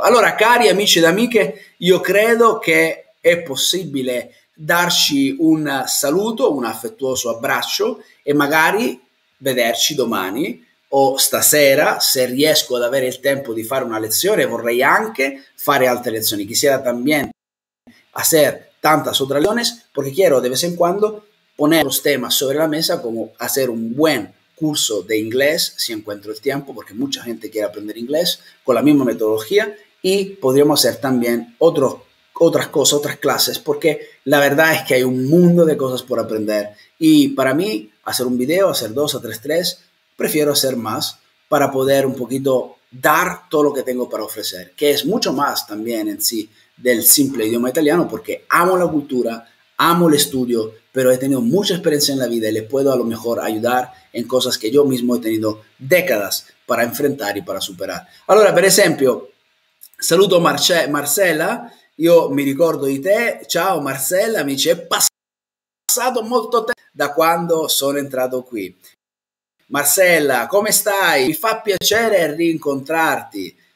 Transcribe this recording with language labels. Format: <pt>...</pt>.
<it>Allora, cari amici ed amiche, io credo che è possibile darci un saluto, un affettuoso abbraccio e magari vederci domani o stasera, se riesco ad avere il tempo di fare una lezione. Vorrei anche fare altre lezioni.</it> <es>Quisiera también hacer tantas otras lecciones, porque quiero de vez en cuando poner los temas sobre la mesa, como hacer un buen curso de inglés, si encuentro el tiempo, porque mucha gente quiere aprender inglés con la misma metodología, y podríamos hacer también otras cosas, otras clases, porque la verdad es que hay un mundo de cosas por aprender. Y para mí, hacer un video, hacer dos, tres, prefiero hacer más para poder un poquito dar todo lo que tengo para ofrecer, que es mucho más también en sí del simple idioma italiano, porque amo la cultura, amo el estudio, pero he tenido mucha experiencia en la vida y le puedo a lo mejor ayudar en cosas que yo mismo he tenido décadas para enfrentar y para superar.</es> <it>Allora, per esempio, saluto Marcella, io mi ricordo di te, ciao Marcella, mi dice: è passato molto tempo da quando sono entrato qui. Marcella, come stai? Mi fa piacere rincontrarti.</it>